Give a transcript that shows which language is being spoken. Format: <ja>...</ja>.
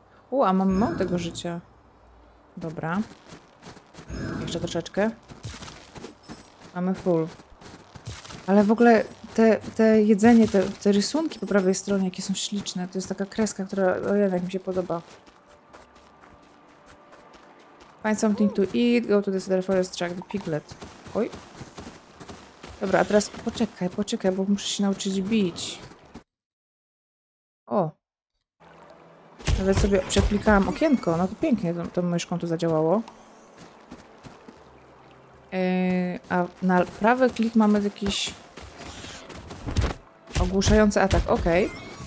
<pl>Okay. A mam tego życia. Dobra. Jeszcze troszeczkę. Mamy full. Ale w ogóle te jedzenie, te rysunki po prawej stronie, jakie są śliczne. To jest taka kreska, która jednak mi się podoba.</pl> <en>Find something to eat, go to the cedar forest, track the piglet. Oj.</en> <pl>Dobra, a teraz poczekaj, bo muszę się nauczyć bić. O. Ale sobie przeklikałam okienko, no to pięknie tą myszką tu zadziałało. A na prawy klik mamy jakiś ogłuszający atak, okej. Okay.</pl>